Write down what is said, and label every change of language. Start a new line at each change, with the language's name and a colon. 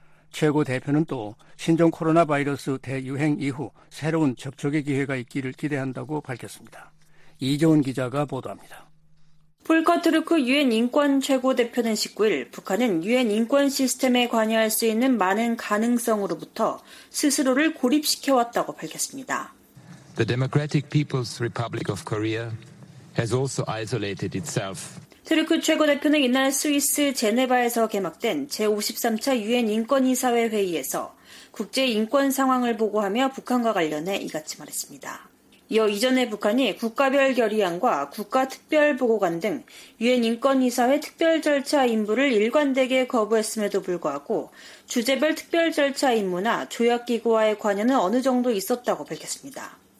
Korean: 최고 대표는 또 신종 코로나 바이러스 대유행 이후 새로운 접촉의 기회가 있기를 기대한다고 밝혔습니다. 이재훈 기자가 보도합니다. 폴커 트루크 유엔 인권 최고 대표는 19일 북한은 유엔 인권 시스템에 관여할 수 있는 많은 가능성으로부터 스스로를 고립시켜왔다고 밝혔습니다.
English: The Democratic People's Republic of Korea has also isolated itself.
Korean: 트루크 최고 대표는 이날 스위스 제네바에서 개막된 제53차 유엔 인권이사회 회의에서 국제 인권 상황을 보고하며 북한과 관련해 이같이 말했습니다. 이어 이전에 북한이 국가별 결의안과 국가특별보고관 등 유엔인권이사회 특별 절차 임무를 일관되게 거부했음에도 불구하고 주제별 특별 절차 임무나 조약기구와의 관여는 어느 정도 있었다고 밝혔습니다.